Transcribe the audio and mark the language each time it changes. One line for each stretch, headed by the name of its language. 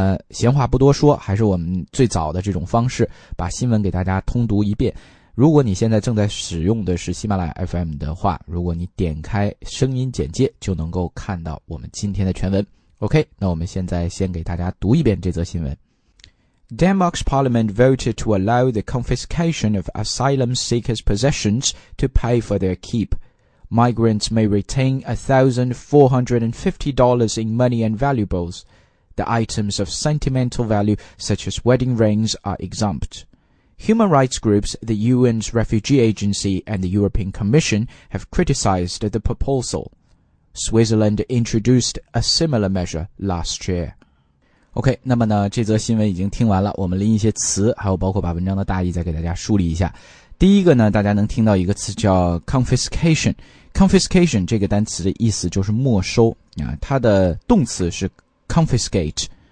Chinese: 闲话不多说，还是我们最早的这种方式，把新闻给大家通读一遍。如果你现在正在使用的是喜马拉雅 FM 的话，如果你点开声音简介，就能够看到我们今天的全文。 OK， 那我们现在先给大家读一遍这则新闻。
English: Denmark's parliament voted to allow the confiscation of asylum seekers' possessions to pay for their keep. Migrants may retain $1,450 in money and valuables. The items of sentimental value, such as wedding rings, are exempt. Human rights groups, the UN's Refugee Agency and the European Commission have criticized the proposal. Switzerland introduced a similar measure last year.
Chinese: OK， 那么呢这则新闻已经听完了，我们拎一些词还有包括把文章的大意再给大家梳理一下。第一个呢，大家能听到一个词叫 confiscation。confiscation 这个单词的意思就是没收啊，它的动词是 confiscate。